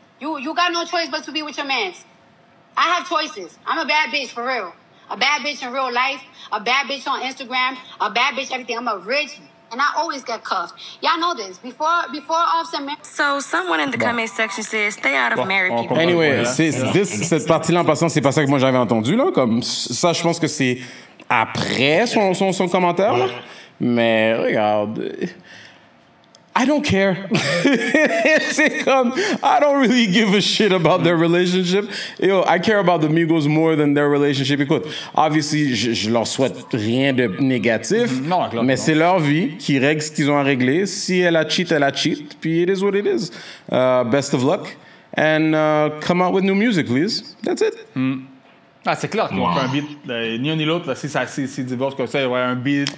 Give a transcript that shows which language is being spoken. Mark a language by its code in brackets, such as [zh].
[en] You got no choice but to be with your mans. I have choices. I'm a bad bitch for real. A bad bitch in real life. A bad bitch on Instagram. A bad bitch everything. I'm a rich and I always get cuffed. Y'all know this. Before Offset married. So someone in the comment section says stay out of married people. [fr] Anyway, cette partie-là en passant, c'est pas ça que moi j'avais entendu là. Comme ça, je pense que c'est après son commentaire. Là. Mais regarde. [en] I don't care. [fr] C'est comme, [en] I don't really give a shit about their relationship. Yo, I care about the Migos more than their relationship. [fr] Écoute, obviously, je leur souhaite rien de négatif. Non, clairement. Mais c'est leur vie qui règle ce qu'ils ont à régler. Si elle a cheat, elle a cheat. Puis [en] it is what it is. Best of luck. And come out with new music, please. That's it. [fr] Ah, c'est clair qu'on fait un beat, ni un ni l'autre, là, si divorce comme ça, il y aurait un beat.